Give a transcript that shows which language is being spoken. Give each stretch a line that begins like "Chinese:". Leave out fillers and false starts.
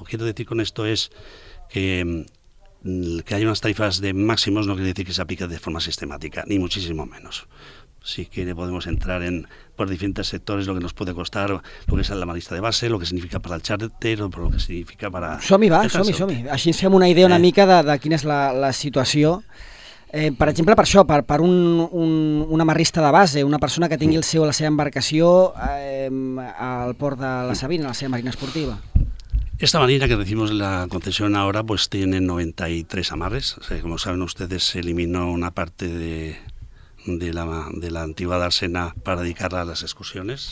Spanish: Quiero decir con esto es que hay unas tarifas de máximos no quiere decir que se aplique de forma sistemática, ni muchísimo menos. Si quiere podemos entrar en por diferentes sectores lo que nos puede costar, lo que es la marista de base, lo que significa para el charter o lo que significa para...
Catalan: Som-hi. Així ens fem una idea una mica de quina és la situació. Per exemple, per això, per una marista de base, una persona que tingui la seva embarcació al port de la Sabina, la seva marina esportiva.
Spanish: Esta marina que recibimos la concesión ahora pues tiene 93 amarres. O sea, como saben ustedes, se eliminó una parte de la antigua dársena para dedicarla a las excursiones.